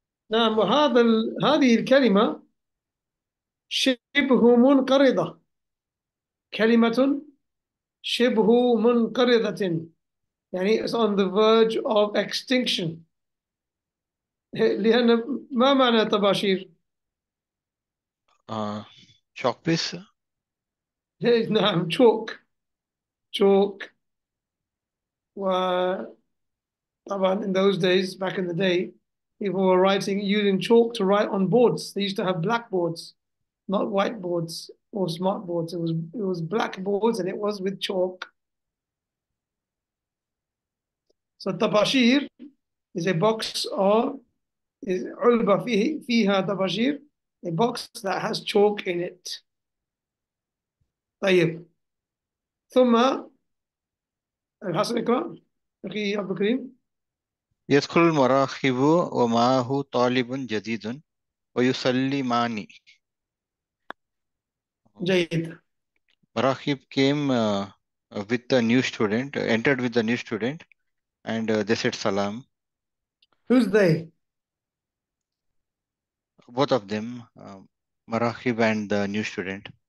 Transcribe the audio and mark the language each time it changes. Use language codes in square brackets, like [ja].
[ar] نعم، هذه الكلمة شبه منقرضة، كلمة شبه منقرضة يعني [en] it's on the verge of extinction، [ar] لأن ما معنى تباشير؟ [en] Chalk piece. نعم chalk, chalk, [ar] و طبعا [en] in those days back in the day people were writing using chalk to write on boards. They used to have blackboards, not whiteboards or smart boards. It was blackboards and it was with chalk. So tabashir is a box or is [ar] ulba fiha tabashir, [en] a box that has chalk in it. [ar] طيب ثم الحسن اقرأ أخي عبد الكريم. يدخل المراقب ومعه طالب جديد ويسلماني. جيد، [en] مراقب came with the new student, entered with the new student and they said salam. who's they؟ Both of them, مراقب and the new student.